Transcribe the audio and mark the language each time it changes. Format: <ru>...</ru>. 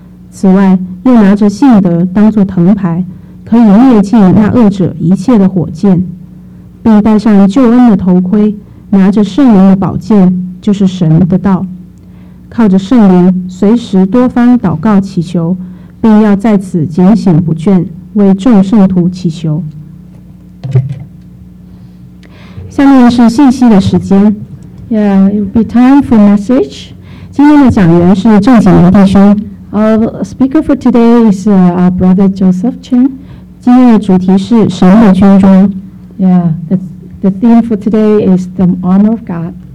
<zh>此外又拿着信德当作藤牌，可以灭尽那恶者一切的火箭，并戴上救恩的头盔，拿着圣灵的宝剑，就是神的道，靠着圣灵随时多方祷告祈求，并要在此警醒不倦，为众圣徒祈求。下面是信息的时间。</zh> <en>Yeah, it'll be time for message.</en> <zh>今天的讲员是郑景明弟兄。</zh> <en>Our speaker for today is our brother Joseph Chen.</en> <zh>今天的主题是神的军装。</zh> <en>Yeah, the theme for today is the armor of God.</en>